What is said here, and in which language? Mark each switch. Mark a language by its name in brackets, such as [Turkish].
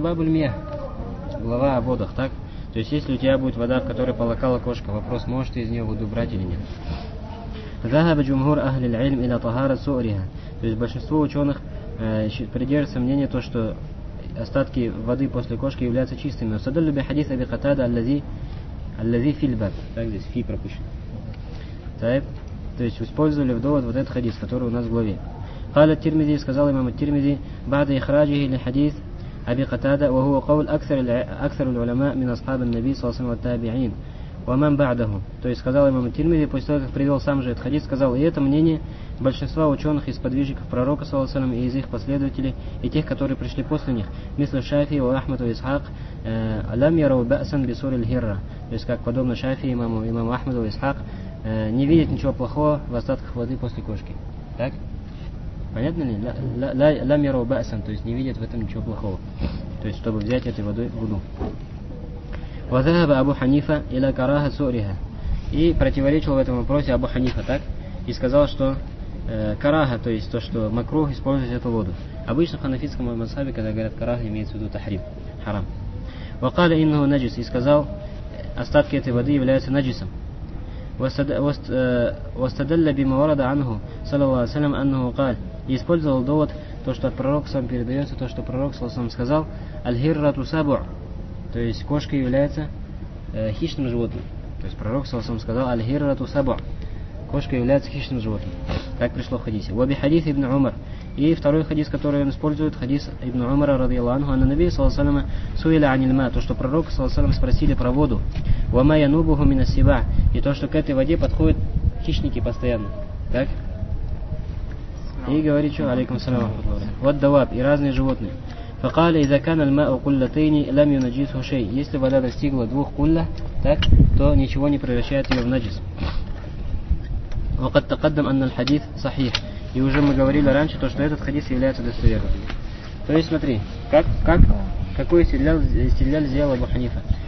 [Russian] Бабульме, глава о водах, так? То есть, если у тебя будет вода, в которой полакала кошка, вопрос, можешь ты из нее воду брать или нет? [Arabic] ذهب جمهور أهل العلم إلى طهارة سؤرها. [Russian] То есть большинство ученых придерживается мнения то, что остатки воды после кошки являются чистыми. [Arabic] Устадлю бе хадис Аби Катада аллази фильбаб. [Russian] Так, здесь фи пропущен. Так, то есть использовали в довод вот этот хадис, который у нас в главе. [Arabic] قال الترمذي, [Russian] сказал имам [Arabic] الترمذي, بعد إخراجه لحديث أبي قتادة وهو قول أكثر العلماء من أصحاب النبي صلى الله عليه وسلم والتابعين ومن بعده. [Russian] То есть сказал имам Тирмизи, после того, как привел сам же этот хадис, сказал, и это мнение большинства ученых и сподвижников пророка, саллаллаху алейхи ва саллям, и из их последователей, и тех, которые пришли после них, [Arabic] мисля Шафии, ва Ахмад, ва Исхак, лам яру ба'сан би сури аль-хирра. [Russian] То есть как подобно Шафии, имаму Ахмаду, ва Исхак, не видят ничего плохого в остатках воды после кошки. Так? Понятно ли? [Arabic] Лам яру ба'сан, [Russian] то есть не видят в этом ничего плохого. То есть чтобы взять этой водой воду. [Arabic] وذهب أبو حنيفة إلى كراهة سؤرها. [Russian] И противоречил в этом вопросе Абу Ханифа, так? И сказал, что караха, то есть то, что макрух использовать эту воду. Обычно в ханафитском мазхабе, когда говорят караха, имеется в виду тахрим, харам. [Arabic] وقال إنه نجس, [Russian] и сказал, остатки этой воды являются наджисом. [Arabic] واستدل بما ورد عنه صلى الله عليه وسلم أنه قال, [Russian] и использовал довод, то, что от пророка сам передается, то, что пророк صلى الله عليه وسلم сказал, [Arabic] аль-хиррату сабу'. [Russian] То есть кошка является хищным животным. То есть пророк саллаллаху алейхи ва саллям сказал [Arabic] «Аль-хиррату сабу'». [Russian] Кошка является хищным животным. Так пришло в хадисе. [Arabic] «Ва би хадис ибн Умар». [Russian] И второй хадис, который он использует, хадис ибн Умара, радиаллаху анху, [Arabic] «Анна наби саллаллаху алейхи ва саллям суила аниль-ма». [Russian] То, что пророк саллаллаху алейхи ва саллям спросили про воду. [Arabic] «Ва ма янубуху мин ас-сиба'». [Russian] И то, что к этой воде подходят хищники постоянно. Так? И говорит что? [Arabic] «Алейкум ас-салям ва рахматуллах». «Ва ад-даваб» [Russian] и разные животные. [Arabic] فقال إذا كان الماء قلتين لم ينجسه شيء. [Russian] Если вода достигла двух кулла, так, то ничего не превращает ее в наджис. [Arabic] وقد تقدم أن الحديث صحيح. [Russian] И уже мы говорили раньше то, что этот хадис является достоверным. То есть смотри, какой истилял сделал Абу Ханифа.